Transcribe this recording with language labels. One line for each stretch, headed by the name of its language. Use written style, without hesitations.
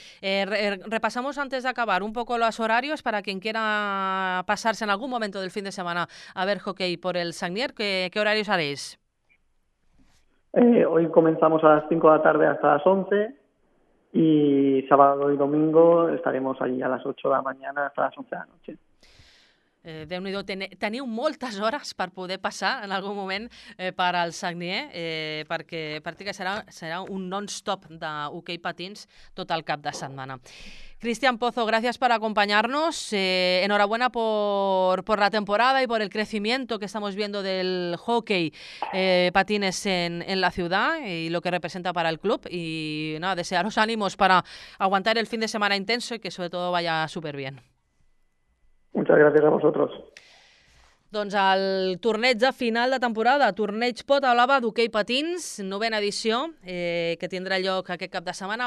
Spanish: Repasamos antes de acabar un poco los horarios para quien quiera pasarse en algún momento del fin de semana a ver hockey por el Sagnier. ¿Qué horarios haréis? Hoy comenzamos a las 5 de la tarde hasta las 11. Y sábado y domingo estaremos allí a las 8 de la mañana hasta las 11 de la noche.
Catalan: De unido, teniu moltes hores per poder passar en algun moment per al Sagnier, perquè a partir que serà un non-stop de hockey patins tot el cap de setmana.
Spanish: Cristian Pozo, gracias por acompañarnos. Enhorabuena por la temporada y por el crecimiento que estamos viendo del hockey patines en la ciudad y lo que representa para el club. Y nada, desearos ánimos para aguantar el fin de semana intenso y que sobre todo vaya súper bien. Muchas gracias a vosotros.
Catalan: Doncs el torneig de final de temporada, torneig Pot a l'Ava d'Hoquei Patins, novena edició, que tindrà lloc aquest cap de setmana.